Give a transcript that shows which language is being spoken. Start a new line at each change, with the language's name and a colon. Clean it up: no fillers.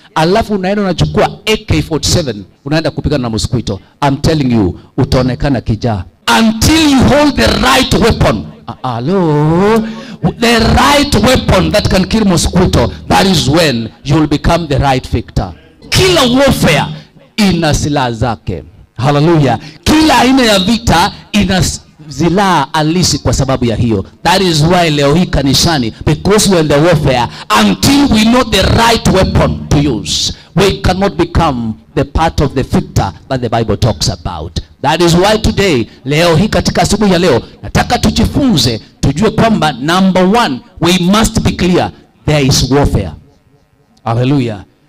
Swahili: Alafu unaenda unachukua AK-47, unaenda kupigana na mosquito.
English: I'm telling you,
Swahili: utaonekana kijaa.
English: Until you hold the right weapon. Hello? The right weapon that can kill mosquito, that is when you will become the right victor.
Swahili: Kila warfare ina silaha zake. Hallelujah. Kila aina ya vita ina silaha alisi kwa sababu ya hiyo.
English: That is why
Swahili: leo hii kanisani,
English: because we are in the warfare, until we know the right weapon to use, we cannot become the part of the victor that the Bible talks about. That is why today,
Swahili: leo hii katika siku ya leo, nataka tujifunze, tujue kwamba
English: number one, we must be clear, there is warfare. Hallelujah.